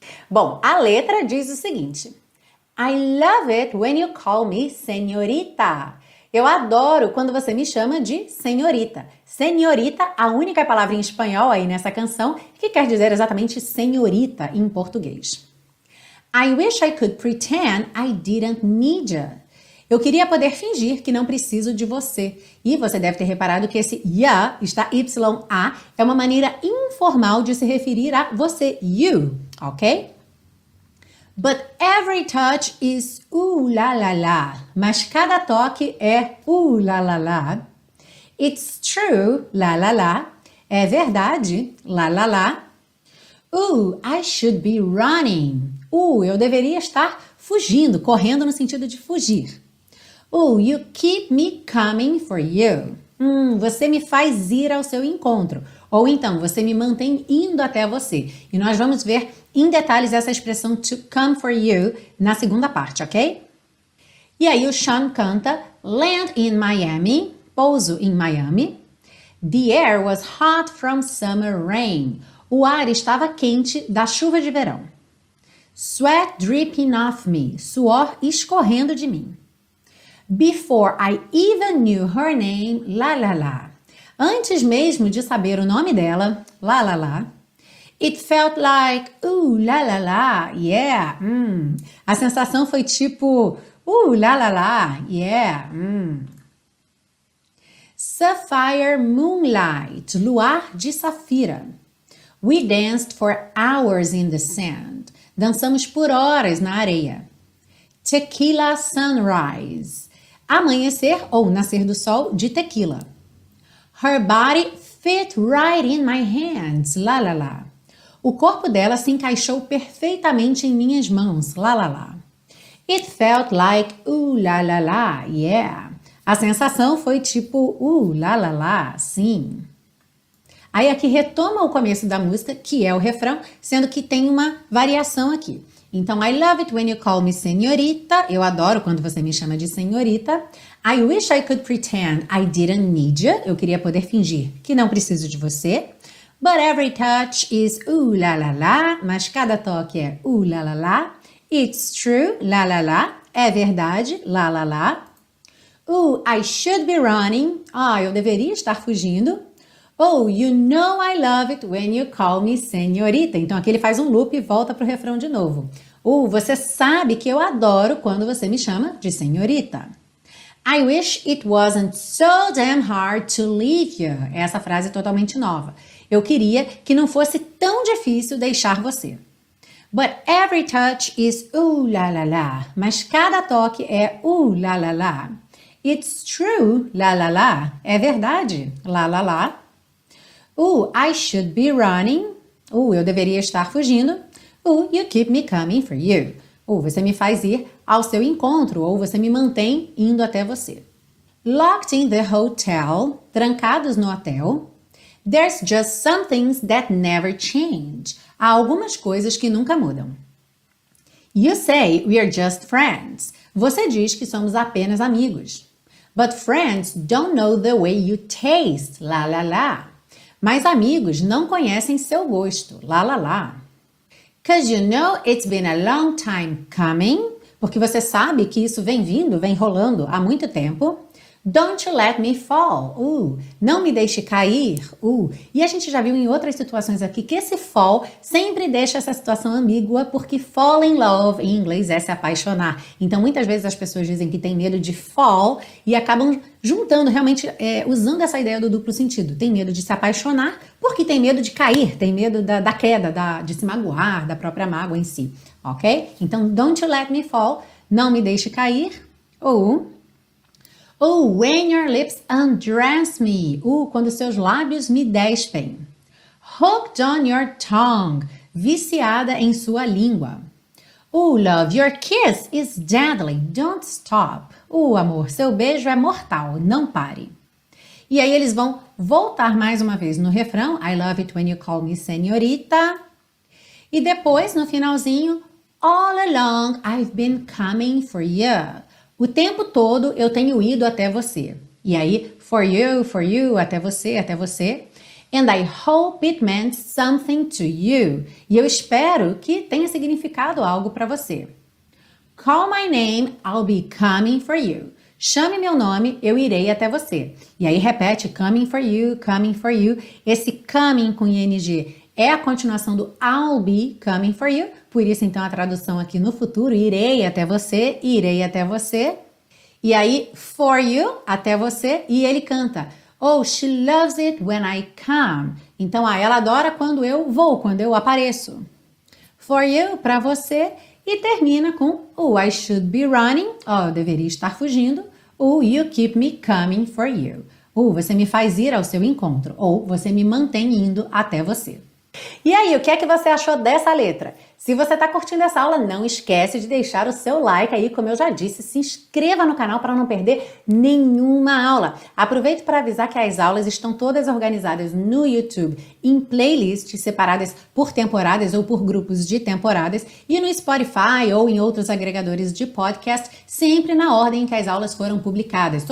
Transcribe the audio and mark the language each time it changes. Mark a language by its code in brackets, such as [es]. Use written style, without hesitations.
[pt] Bom, a letra diz o seguinte. [en] I love it when you call me senhorita. [pt] Eu adoro quando você me chama de senhorita. Senhorita, a única palavra em espanhol aí nessa canção que quer dizer exatamente senhorita em português. [en] I wish I could pretend I didn't need you. [pt] Eu queria poder fingir que não preciso de você. E você deve ter reparado que esse ya, está YA, é uma maneira informal de se referir a você, you, ok? [en] But every touch is ooh-la-la-la. [pt] Mas cada toque é ooh-la-la-la. [en] It's true, la-la-la. [pt] É verdade, la-la-la. [en] Ooh, I should be running. [pt] Eu deveria estar fugindo, correndo no sentido de fugir. [en] Ooh, you keep me coming for you. [pt] Você me faz ir ao seu encontro. Ou então, você me mantém indo até você. E nós vamos ver em detalhes essa expressão to come for you na segunda parte, ok? E aí o Sean canta [en] Land in Miami, [pt] pouso em Miami. [en] The air was hot from summer rain. [pt] O ar estava quente da chuva de verão. [en] Sweat dripping off me, [pt] suor escorrendo de mim. [en] Before I even knew her name, la la la. [pt] Antes mesmo de saber o nome dela, la la la. [en] It felt like, ooh, la la la, yeah, [pt] A sensação foi tipo, ooh, la la la, yeah, [en] Sapphire moonlight, [pt] luar de safira. [en] We danced for hours in the sand. [pt] Dançamos por horas na areia. [en] Tequila sunrise. [pt] Amanhecer ou nascer do sol de tequila. [en] Her body fit right in my hands, la la la. [pt] O corpo dela se encaixou perfeitamente em minhas mãos, la la la. [en] It felt like, ooh, la la la, yeah. [pt] A sensação foi tipo, ooh, la la la, sim. Aí aqui retoma o começo da música, que é o refrão, sendo que tem uma variação aqui. Então, [en] I love it when you call me senhorita. [pt] Eu adoro quando você me chama de senhorita. [en] I wish I could pretend I didn't need you. [pt] Eu queria poder fingir que não preciso de você. [en] But every touch is ooh la la la. [pt] Mas cada toque é ooh la la la. [en] It's true, la la la. [pt] É verdade, la la la. [en] Ooh, I should be running. [pt] Ah, eu deveria estar fugindo. [en] Oh, you know I love it when you call me senhorita. [pt] Então aqui ele faz um loop e volta pro refrão de novo. Oh, você sabe que eu adoro quando você me chama de senhorita. [en] I wish it wasn't so damn hard to leave you. [pt] Essa frase é totalmente nova. Eu queria que não fosse tão difícil deixar você. [en] But every touch is ooh la la la. [pt] Mas cada toque é ooh la la la. [en] It's true, la la la. [pt] É verdade, la la la. [en] Ooh, I should be running. [pt] Ooh, eu deveria estar fugindo. [en] Ooh, you keep me coming for you. [pt] Ooh, você me faz ir ao seu encontro. Ou você me mantém indo até você. [en] Locked in the hotel. [pt] Trancados no hotel. [en] There's just some things that never change. [pt] Há algumas coisas que nunca mudam. [en] You say we are just friends. [pt] Você diz que somos apenas amigos. [en] But friends don't know the way you taste. La la la. [pt] Mas amigos não conhecem seu gosto. La la la. [en] Cause you know it's been a long time coming. [pt] Porque você sabe que isso vem vindo, vem rolando há muito tempo. [en] Don't you let me fall. [pt] Não me deixe cair. E a gente já viu em outras situações aqui que esse fall sempre deixa essa situação ambígua, porque fall in love em inglês é se apaixonar. Então muitas vezes as pessoas dizem que tem medo de fall e acabam juntando, realmente usando essa ideia do duplo sentido. Tem medo de se apaixonar porque tem medo de cair, tem medo da queda, de se magoar, da própria mágoa em si. Ok? [en] Então don't you let me fall. [pt] Não me deixe cair. [en] When your lips undress me. [pt] Quando seus lábios me despem. [en] Hooked on your tongue. [pt] Viciada em sua língua. [en] Love, your kiss is deadly. Don't stop. [pt] Amor, seu beijo é mortal. Não pare. E aí eles vão voltar mais uma vez no refrão. [en] I love it when you call me senhorita. [pt] E depois, no finalzinho. [en] All along I've been coming for you. [pt] O tempo todo eu tenho ido até você. E aí, for you, até você, até você. [en] And I hope it meant something to you. [pt] E eu espero que tenha significado algo para você. [en] Call my name, I'll be coming for you. [pt] Chame meu nome, eu irei até você. E aí repete, coming for you, coming for you. Esse coming com ing é a continuação do I'll be coming for you. Por isso, então, a tradução aqui no futuro, irei até você, irei até você. E aí, for you, até você. E ele canta, [en] oh, she loves it when I come. [pt] Então, ela adora quando eu vou, quando eu apareço. [en] For you, [pt] pra você. E termina com, [en] oh, I should be running. [pt] Oh, eu deveria estar fugindo. [en] Oh, you keep me coming for you. [pt] Oh, você me faz ir ao seu encontro. Ou, você me mantém indo até você. E aí, o que é que você achou dessa letra? Se você está curtindo essa aula, não esquece de deixar o seu like aí, como eu já disse, se inscreva no canal para não perder nenhuma aula. Aproveite para avisar que as aulas estão todas organizadas no YouTube em playlists separadas por temporadas ou por grupos de temporadas e no Spotify ou em outros agregadores de podcast, sempre na ordem em que as aulas foram publicadas.